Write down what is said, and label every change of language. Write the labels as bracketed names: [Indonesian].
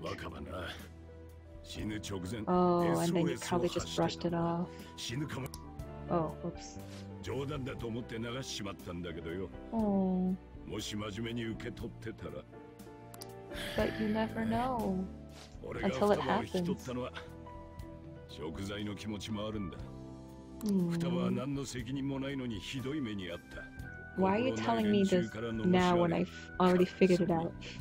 [English] Oh, and then you probably just brushed it off. Oh, oops. [Japanese] 冗談だと思って流しちまったんだけどよ. もし真面目に受け取ってたら. [English] But you never know. Until it happens. [Japanese] 食材の気持ちもあるんだ.ふたばは何の責任もないのにひどい目にあった. [English] Why are you telling me this now when I've already figured it out?